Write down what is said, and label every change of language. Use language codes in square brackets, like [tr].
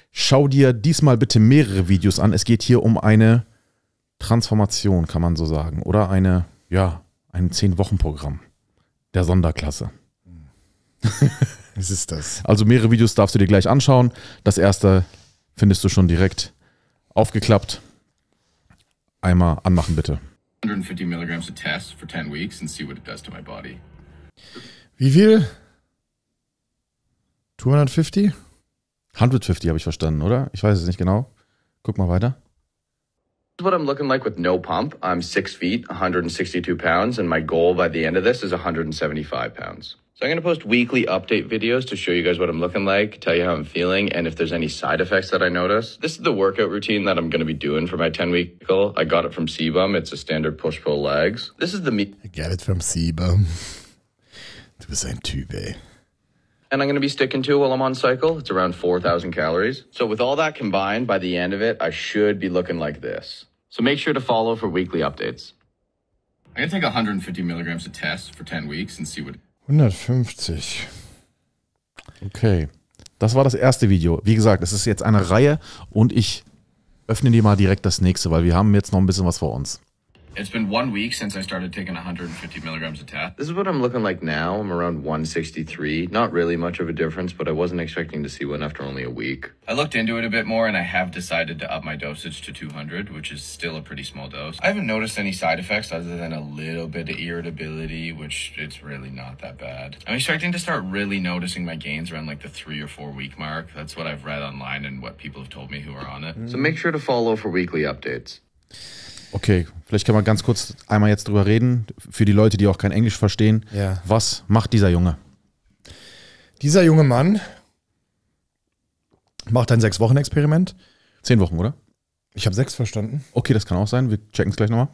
[de] Schau dir diesmal bitte mehrere Videos an. Es geht hier um eine Transformation, kann man so sagen. Oder eine, ja, ein 10-Wochen-Programm der Sonderklasse. Es ist das. Also mehrere Videos darfst du dir gleich anschauen. Das erste findest du schon direkt aufgeklappt. Einmal anmachen, bitte. [en] 150 Milligramm to test for 10 weeks and see what it does to my body. [de] Wie viel? 250? 150 habe ich verstanden, oder? Ich weiß es nicht genau. Guck mal weiter. [en] This is what I'm looking like with no pump. I'm 6 feet, 162 pounds and my goal by the end of this is 175 pounds. So I'm going to post weekly update videos to show you guys what I'm looking like, tell you how I'm feeling, and if there's any side effects that I notice. This is the workout routine that I'm going to be doing for my 10-week goal. I got it from Sebum. It's a standard push-pull legs. This is the meat. I got it from Sebum. [de] Du bist ein Typ, ey. [en] And I'm going to be sticking to it while I'm on cycle. It's around 4,000 calories. So with all that combined, by the end of it, I should be looking like this. So make sure to follow for weekly updates. I'm going to take 150 milligrams of test for 10 weeks and see what... 150. [de] Okay, das war das erste Video. Wie gesagt, es ist jetzt eine Reihe und ich öffne dir mal direkt das nächste, weil wir haben jetzt noch ein bisschen was vor uns. [en] It's been one week since I started taking 150 milligrams of test. This is what I'm looking like now. I'm around 163. Not really much of a difference, but I wasn't expecting to see one after only a week. I looked into it a bit more and I have decided to up my dosage to 200, which is still a pretty small dose. I haven't noticed any side effects other than a little bit of irritability, which it's really not that bad. I'm expecting to start really noticing my gains around like the 3 or 4 week mark. That's what I've read online and what people have told me who are on it. So make sure to follow for weekly updates. [de] Okay, vielleicht kann man ganz kurz einmal jetzt drüber reden, für die Leute, die auch kein Englisch verstehen. Ja. Was macht dieser Junge? Dieser junge Mann macht ein 6-Wochen-Experiment. 10 Wochen, oder? Ich habe 6 verstanden. Okay, das kann auch sein. Wir checken es gleich nochmal.